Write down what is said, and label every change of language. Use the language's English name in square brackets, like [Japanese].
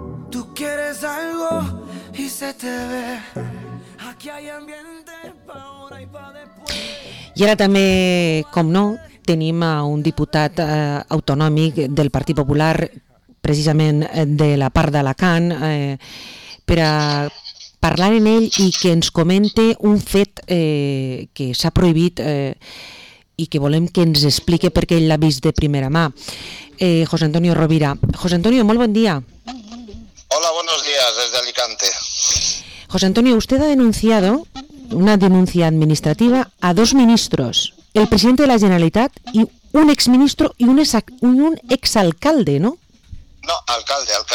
[Spanish] Tú quieres algo y se te ve. Aquí hay ambiente pa ahora y pa después. [Catalan] I ara també, com no, tenim a un diputat autonòmic del Partit Popular, precisament de la part d'Alacant, per a parlar amb ell i que ens comente un fet que s'ha prohibit i que volem que ens explique perquè ell l'ha vist de primera mà. José Antonio Rovira. José Antonio, molt bon dia. [Spanish] Hola, buenos días desde Alicante. José Antonio, usted ha denunciado una denuncia administrativa a dos ministros, el presidente de la Generalitat y un exministro y un exalcalde, ¿no? No, alcalde.